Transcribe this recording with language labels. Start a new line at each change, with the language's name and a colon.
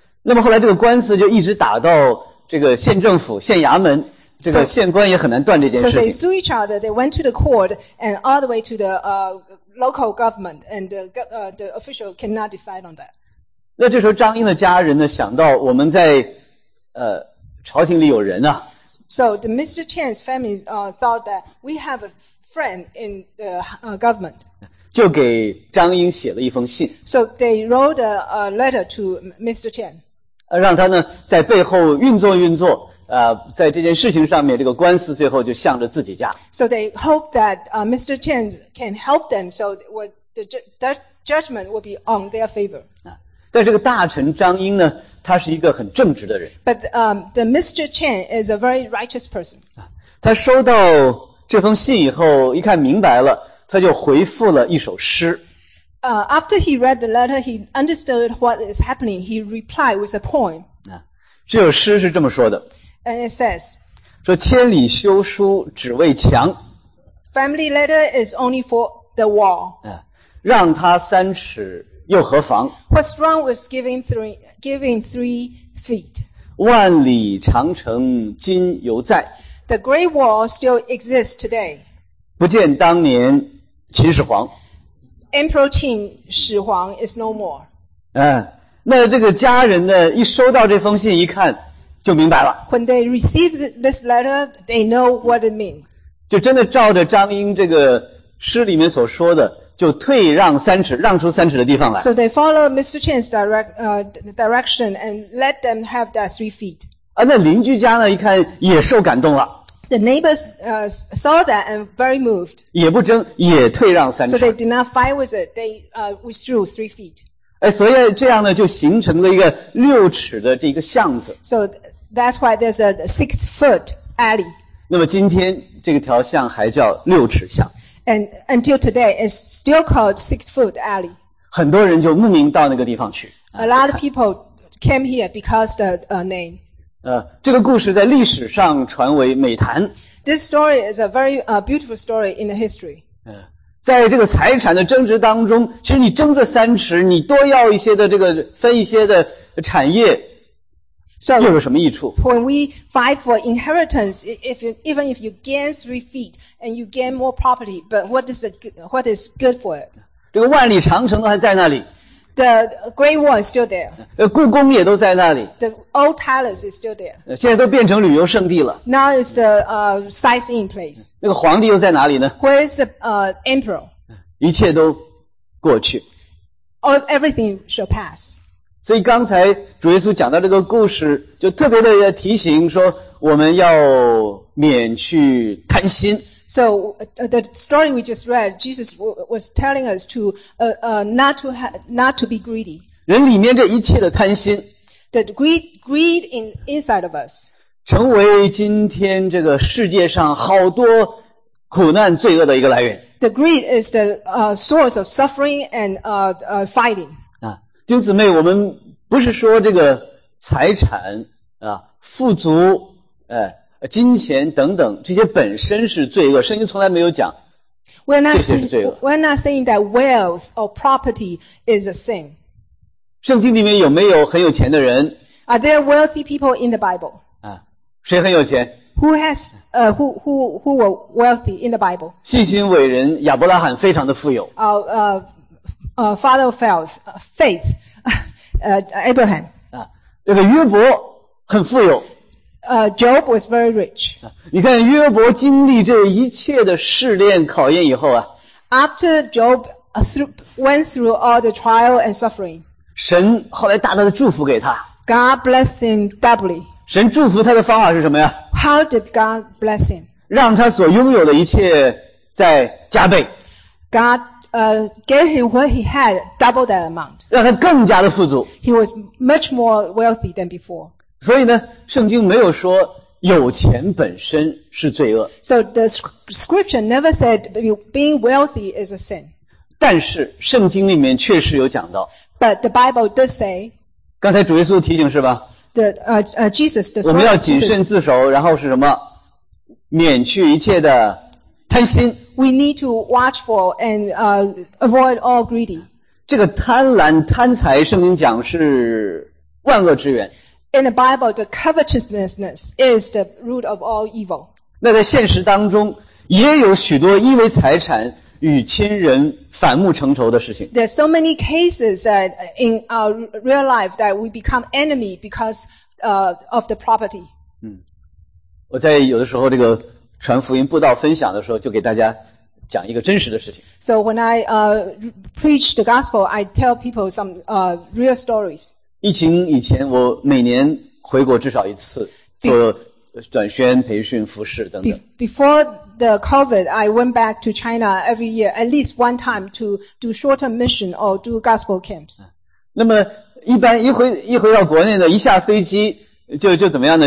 Chinese: 那么后来这个官司就一直打到这个县政府、县衙门。这个县官也很难断这件事情。
English: So they sue each other. They went to the court and all the way to the local government, and the official cannot decide on that.
Chinese: 那这时候张英的家人呢，想到我们在朝廷里有人啊。
English: So the Mr. Chen's family thought that we have a friend in the government.
Chinese: 就给张英写了一封信。
English: So they wrote a letter to Mr. Chen.
Chinese: 让他呢在背后运作运作。在这件事情上面，这个官司最后就向着自己家。
English: So they hope that Mr. Chen can help them, so the judgment will be on their favor.
Chinese: 但这个大臣张英呢，他是一个很正直的人。
English: But the Mr. Chen is a very righteous person.
Chinese: 他收到这封信以后，一看明白了，他就回复了一首诗。
English: After he read the letter, he understood what is happening. He replied with a poem.
Chinese: 这首诗是这么说的。
English: And it says,
Chinese: 说千里修书只为墙
English: Family letter is only for the wall.
Chinese: 让他三尺又何妨
English: What's wrong with giving three feet?
Chinese: 万里长城今犹在
English: The great wall still exists today.
Chinese: 不见当年秦始皇
English: Emperor Qin, 始皇 is no more.
Chinese: 那这个家人呢，一收到这封信一看就明白了。
English: When they receive this letter, they know what it means.
Chinese: 就真的照着张英这个诗里面所说的，就退让三尺，让出三尺的地方来。
English: So they follow Mr. Chen's direction and let them have that 3 feet.
Chinese: 那邻居家呢，一看也受感动了。
English: The neighbors saw that and very moved.
Chinese: 也不争，也退让三尺。
English: So they did not fight with it. They withdrew 3 feet.
Chinese: 所以这样呢，就形成了一个六尺的这个巷子。
English: So that's why there's a 6-foot alley.
Chinese: 那么今天这个条巷还叫六尺巷。
English: And until today, it's still called 6-foot alley.
Chinese: 很多人就慕名到那个地方去。
English: A lot of people came here because the name.
Chinese: 这个故事在历史上传为美谈。
English: This story is a very beautiful story in the history.
Chinese: 在这个财产的争执当中，其实你争着三尺，你多要一些的这个分一些的产业，又有什么益处
English: so, ？When we fight for inheritance, even if you gain 3 feet and you gain more property, but what is good for it?
Chinese: 这个万里长城都还在那里。
English: The Great Wall is still there.
Chinese: 故宫也都在那里。
English: The old palace is still there.
Chinese: 现在都变成旅游胜地了。
English: Now it's the sightseeing place.
Chinese: 那个皇帝又在哪里呢
English: ？Where is the emperor?
Chinese: 一切都过去。
English: All everything shall pass.
Chinese: 所以刚才主耶稣讲到这个故事，就特别的提醒说，我们要免去贪心。
English: So the story we just read, Jesus was telling us to not to be greedy.
Chinese: 人里面这一切的贪心
English: ，the greed inside of us，
Chinese: 成为今天这个世界上好多苦难罪恶的一个来源。
English: The greed is the source of suffering and fighting.
Chinese: 弟兄姊妹，我们不是说这个财产啊，富足，金钱等等，这些本身是罪恶。圣经从来没有讲这些是罪恶。
English: We're not saying that wealth or property is a sin.
Chinese: 圣经里面有没有很有钱的人
English: ？Are there wealthy people in the Bible？
Chinese: 谁很有钱
English: ？Who were wealthy in the Bible？
Chinese: 信心伟人亚伯拉罕非常的富有。
English: Father of faith, Abraham。
Chinese: 这个约伯很富有。
English: Job was very rich.
Chinese: 你看约伯经历这一切的试炼考验以后啊。
English: After Job went through all the trial and suffering.
Chinese: 神后来大大的祝福给他。
English: God blessed him doubly.
Chinese: 神祝福他的方法是什么呀
English: ?How did God bless him?
Chinese: 让他所拥有的一切在加倍。
English: God, gave him what he had, double the amount.
Chinese: 让他更加的富足。
English: He was much more wealthy than before.
Chinese: 所以呢，圣经没有说有钱本身是罪恶。
English: So the scripture never said being wealthy is a sin.
Chinese: 但是圣经里面确实有讲到。
English: But the Bible does say.
Chinese: 刚才主耶稣提醒是吧？
English: Jesus, the
Chinese: Son, 我们要谨慎自守，然后是什么？免去一切的贪心。
English: We need to watch for and avoid all greedy.
Chinese: 这个贪婪、贪财，圣经讲是万恶之源。
English: In the Bible, the covetousness is the root of all evil.
Chinese: 那在现实当中，也有许多因为财产与亲人反目成仇的事情。
English: There's so many cases that in our real life that we become enemy because of the property.
Chinese: 嗯，我在有的时候这个传福音布道分享的时候，就给大家讲一个真实的事情。
English: So when I preach the gospel, I tell people some real stories.
Chinese: 疫情以前，我每年回国至少一次做短宣、培训、服事等等。
English: Before the COVID, I went back to China every year at least one time to do short-term mission or do gospel camps.
Chinese: 那么一般一回到国内呢，一下飞机就怎么样呢？